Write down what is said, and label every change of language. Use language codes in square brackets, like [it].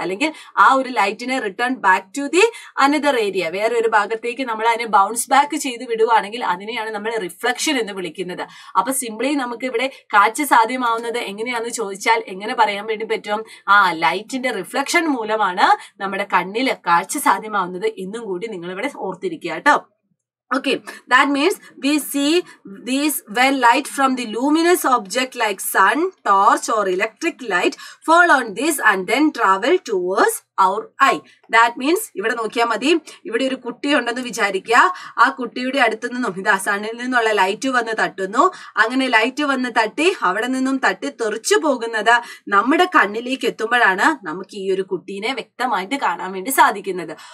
[ml] അല്ലെങ്കിൽ ആ ഒരു ലൈറ്റിനെ return back to the another area, വേറൊരു ഭാഗത്തേക്ക് നമ്മൾ അതിനെ ബൗൺസ് ബാക്ക് ചെയ്ത് വിടുകയാണെങ്കിൽ അതിനെയാണ് നമ്മൾ റിഫ്ലക്ഷൻ എന്ന് വിളിക്കുന്നത്. അപ്പൊ സിംപ്ലി നമുക്ക് ഇവിടെ കാഴ്ച സാധ്യമാവുന്നത് എങ്ങനെയാണെന്ന് ചോദിച്ചാൽ എങ്ങനെ പറയാൻ വേണ്ടി പറ്റും? ആ ലൈറ്റിന്റെ റിഫ്ലക്ഷൻ മൂലമാണ് നമ്മുടെ കണ്ണില് കാഴ്ച സാധ്യമാവുന്നത് എന്നും കൂടി നിങ്ങളിവിടെ ഓർത്തിരിക്കുക കേട്ടോ. [en] Okay, that means we see these when light from the luminous object like sun, torch or electric light fall on this and then travel towards our eye. That means [ml] ഇവിടെ നോക്കിയാൽ മതി, ഇവിടെ ഒരു കുട്ടി ഉണ്ടെന്ന് വിചാരിക്കുക. ആ കുട്ടിയുടെ അടുത്തു നിന്നും ഇതാ സണ്ണിൽ നിന്നുള്ള ലൈറ്റ് വന്ന് തട്ടുന്നു. അങ്ങനെ ലൈറ്റ് വന്ന് തട്ടി അവിടെ നിന്നും തട്ടി തെറിച്ചു പോകുന്നത് നമ്മുടെ കണ്ണിലേക്ക് എത്തുമ്പോഴാണ് നമുക്ക് ഈ ഒരു കുട്ടീനെ വ്യക്തമായിട്ട് കാണാൻ വേണ്ടി സാധിക്കുന്നത്.